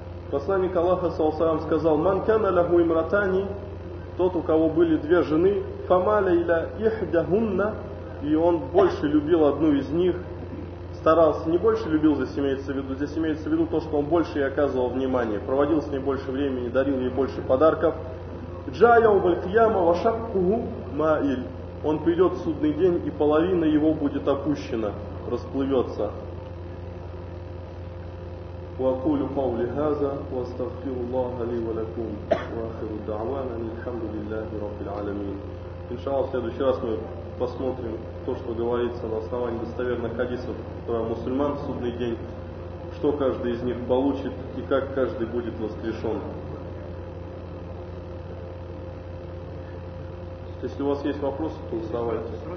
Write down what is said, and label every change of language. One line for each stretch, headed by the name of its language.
Russian: Посланник Аллаха саллаллаху алейхи ва саллям сказал,
Arabic: «Ман кана лаху имратани»,
Russian: тот, у кого были две жены,
Arabic: «фамаля иля ихдахунна»,
Russian: и он больше любил одну из них, старался, не больше любил, здесь имеется в виду то, что он больше ей оказывал внимание, проводил с ней больше времени, дарил ей больше подарков.
Arabic: «Джаяу бальхияма вашаккуху маиль»,
Russian: он придет в судный день, и половина его будет опущена, расплывется.
Arabic: وأقول قولي هذا وأستغفر الله لي ولكم وآخر دعوانا أن الحمد لله رب العالمين. إن شاء الله
Russian: в следующий раз мы посмотрим то, что говорится на основании достоверных хадисов про мусульман в судный день, что каждый из них получит и как каждый будет воскрешен. Если у вас есть вопросы, то задавайте.